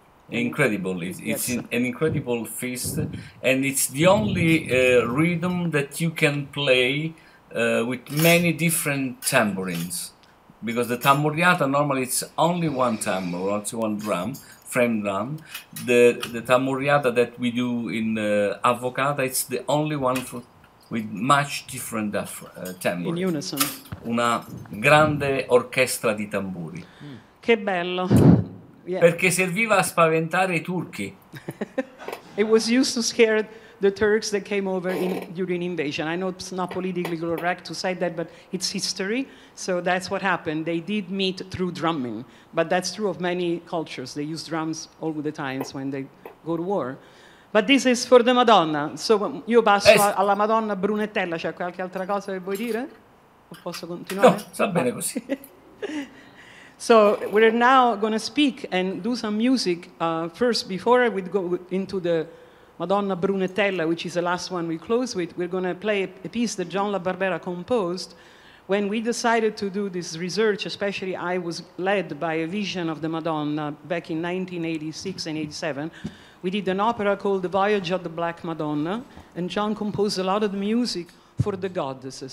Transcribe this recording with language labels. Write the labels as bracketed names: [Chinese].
[English] Incredible. It's an incredible feast, and it's the only rhythm that you can play with many different tambourines, because the Tammorriata normally it's only one tambour, only one drum, frame drum. The Tammorriata that we do in Avvocata, it's the only one with much different tambourines. In unison. [Italian] Una grande orchestra di tamburi. Che bello. [English] Yeah. [Italian] Perché serviva a spaventare i turchi. [English] It was used to scare the Turks that came over during invasion. I know it's not politically correct to say that, but it's history. So that's what happened. They did meet through drumming. But that's true of many cultures. They use drums all the times when they go to war. But this is for the Madonna. [Italian] So io passo alla Madonna Brunettella. C'è qualche altra cosa che vuoi dire? O posso continuare? No, sta bene così. [English] So we're now going to speak and do some music first. Before we go into the Madonna Brunettella, which is the last one we close with, we're going to play a piece that John La Barbera composed. When we decided to do this research, especially I was led by a vision of the Madonna back in 1986 and 87, we did an opera called The Voyage of the Black Madonna, and John composed a lot of the music for the goddesses.